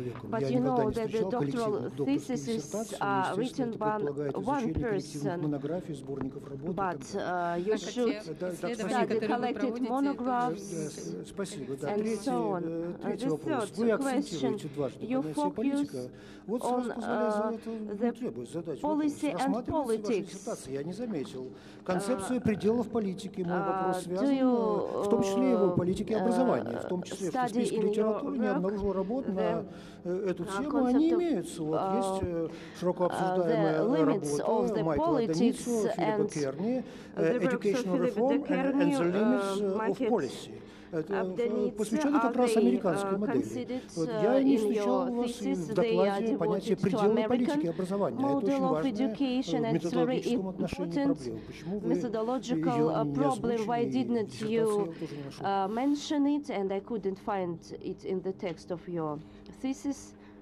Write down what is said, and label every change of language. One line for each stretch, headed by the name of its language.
English: But you know that the doctoral theses are written by one person, but you should study collected monographs and so on. The third question, you focus on the policy and politics.
Russian: Концепцию пределов политики, мой вопрос связан, в том числе и в политике образования, в том числе в списке литературы, не обнаружил работ на эту тему, они имеются. Вот есть широко обсуждаемая работа Майкла Деницу, Филиппа Керни,
English: «Educational Reform and the Limits of Policy»,
Russian: посвящены как раз американской модели. Вот я не встречал у вас в докладе понятие пределы политики образования. Это очень важное методологическом отношении проблемы. Почему вы ее не озвучили?
English: Why didn't you mention it? And I couldn't find it in the text of your thesis.